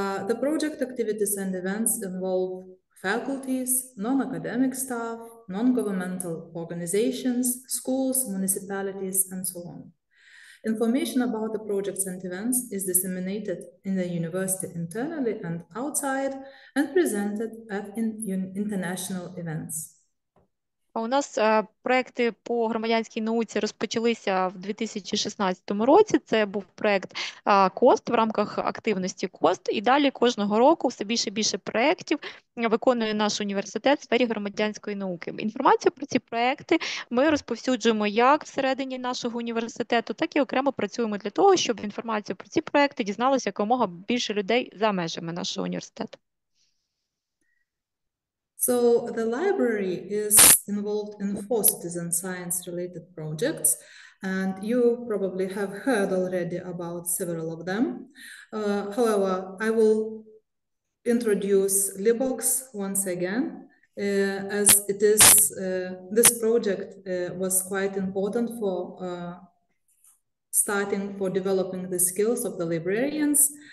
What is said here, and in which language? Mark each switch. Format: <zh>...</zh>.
<en>The project activities and events involve faculties, non-academic staff, non-governmental organizations, schools, municipalities, and so on. Information about the projects and events is disseminated in the university internally and outside and presented at international events.</en> <uk>У нас проекти по громадянській науці розпочалися в 2016 році. Це був проект КОСТ в рамках активності КОСТ. І далі кожного року все більше і більше проєктів виконує наш університет в сфері громадянської науки. Інформацію про ці проекти ми розповсюджуємо як всередині нашого університету, так і окремо працюємо для того, щоб інформацію про ці проекти дізналося якомога більше людей за межами нашого університету.</uk> <en>So the library is involved in four citizen science related projects, and you probably have heard already about several of them. However, I will introduce Libox once again, as it is this project was quite important for starting for developing the skills of the librarians.</en>